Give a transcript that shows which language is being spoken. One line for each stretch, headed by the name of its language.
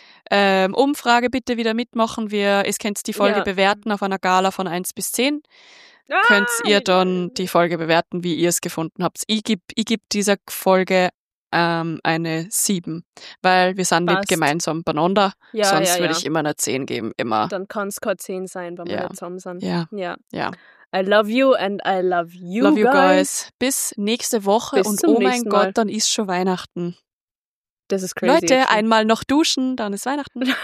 German: Umfrage bitte wieder mitmachen. Ihr könnt die Folge bewerten auf einer Skala von 1 bis 10. Könnt ihr dann die Folge bewerten, wie ihr es gefunden habt. Ich geb dieser Folge eine 7, weil wir sind nicht gemeinsam beieinander. Ja, sonst würde ich immer eine 10 geben, immer. Dann kann es keine 10 sein, wenn wir nicht zusammen sind. Ja.
English: I love you and I love you guys. Love you guys.
German: Bis nächste Woche. Bis und oh mein Gott, dann ist schon Weihnachten. Das ist crazy. Leute, einmal noch duschen, dann ist Weihnachten.